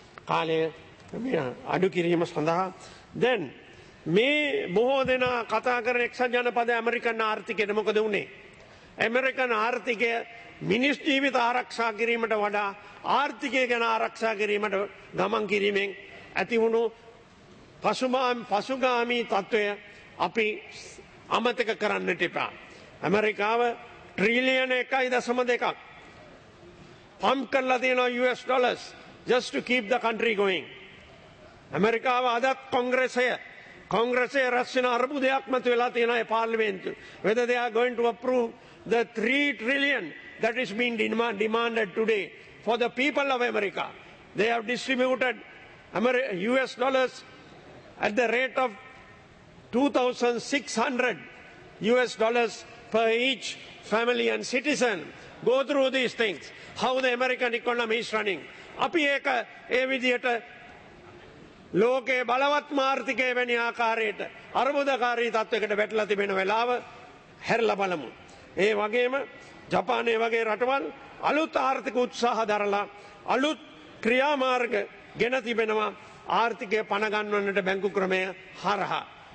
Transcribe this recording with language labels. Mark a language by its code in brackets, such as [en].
[si] කාලය අඩු කිරීම සඳහා දැන් මේ බොහෝ දෙනා කතා කරන එක්සත් ජනපද ඇමරිකන් ආර්ථිකයට මොකද වුනේ? ඇමරිකන් ආර්ථිකය මිනිස් ජීවිත ආරක්ෂා කිරීමට වඩා ආර්ථිකය ගැන ආරක්ෂා කිරීමට ගමන් කිරීමෙන් ඇති වුණු පසුගාමී තත්ත්වය අපි අමතක කරන්නට එපා. ඇමරිකාව ට්‍රිලියන 1.2ක් [en] pump [si] කරලා තියෙනවා [en] US dollars just to keep the country going. [si] ඇමරිකාව අදත් කොංග්‍රසයේ රැස්වෙන අර්බුදයක් මත වෙලා තියෙනවා ඒ පාර්ලිමේන්තු. [en] Whether they are going to approve the 3 trillion that is being demanded today for the people of America. They have distributed US dollars at the rate of 2,600 US dollars per each family and citizen. Go through these things. How the American economy is running. [si] අපි ඒක ඒ විදිහට ලෝකේ බලවත් මාර්ථිකය වැනි ආකාරයට අර්බුදකාරී තත්වයකට වැටලා තිබෙන වෙලාව හැරලා බලමු. ඒ වගේම ජපානය වගේ රටවල් අලුත් ආර්ථික උත්සාහ දරලා අලුත් ක්‍රියාමාර්ග ගෙන තිබෙනවා ආර්ථිකය පණ ගන්වන්නට බැංකු ක්‍රමය හරහා.